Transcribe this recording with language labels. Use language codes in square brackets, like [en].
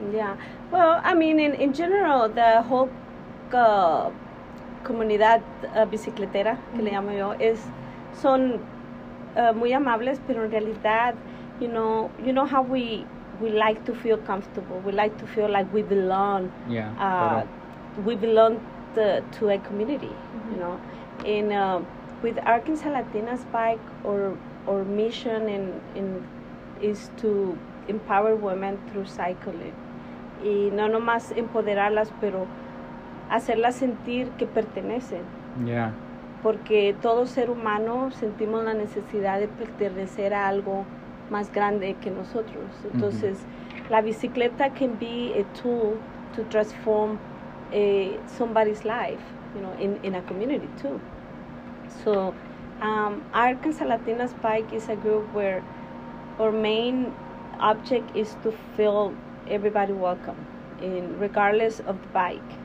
[en] Yeah, well, I mean, in general, the whole [es] comunidad bicicletera, [en] mm-hmm, [es] que le llamo yo, son muy amables, pero en realidad, [en] you know how we like to feel comfortable, we like to feel like we belong. Yeah, we belong to a community, mm-hmm, you know. And with Arkansas Latinas Bike, our mission is to empower women through cycling. [es] Y no nomás empoderarlas, pero hacerlas sentir que pertenecen. [en] Yeah. [es] Porque todo ser humano sentimos la necesidad de pertenecer a algo más grande que nosotros. [en] Entonces, mm-hmm, [es] la bicicleta [en] can be a tool to transform somebody's life, you know, in a community too. So Arkansas Latinas Bike is a group where our main object is to feel everybody welcome, in regardless of the bike.